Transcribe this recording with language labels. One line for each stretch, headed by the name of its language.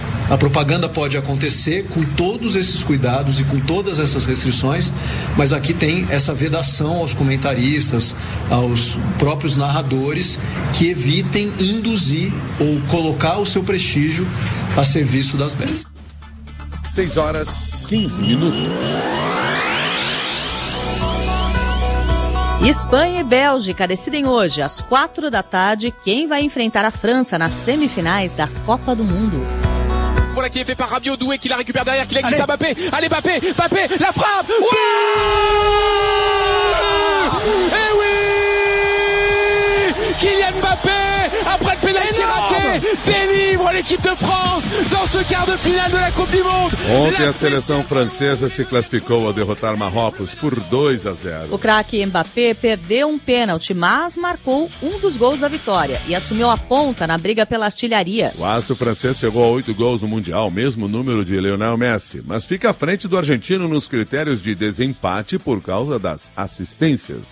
Portuguese: A propaganda pode acontecer com todos esses cuidados e com todas essas restrições, mas aqui tem essa vedação aos comentaristas, aos próprios narradores, que evitem induzir ou colocar o seu prestígio a serviço das bets. 6:15. Espanha e Bélgica decidem hoje, às 16h, quem vai enfrentar a França nas semifinais da Copa do Mundo.
French: Voilà qui est fait par Rabiot Doué qui la récupère derrière, qui la glisse à Mbappé. Allez Mbappé, Mbappé, la frappe. Ouais. Et oui, Kylian Mbappé, après le pénalty raté, délivre l'équipe de France dans ce quart de finale de la Coupe du Monde.
Portuguese: Ontem a seleção francesa se classificou ao derrotar Marrocos por 2-0. O craque Mbappé perdeu um pênalti, mas marcou um dos gols da vitória e assumiu a ponta na briga pela artilharia. O astro francês chegou a 8 gols no Mundial, mesmo número de Lionel Messi, mas fica à frente do argentino nos critérios de desempate por causa das assistências.